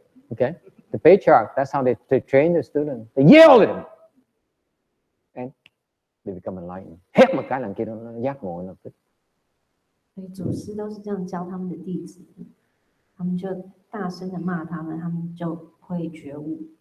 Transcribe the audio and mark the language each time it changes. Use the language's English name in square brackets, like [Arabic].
[English] Okay? The patriarch, that's how they train the student. They yell at him. And they become enlightened. [Vietnamese] Hét một cái là kia nó giác ngộ lập tức. [Chinese] 祖师都是这样教他们的弟子，他们就大声的骂他们，他们就会觉悟。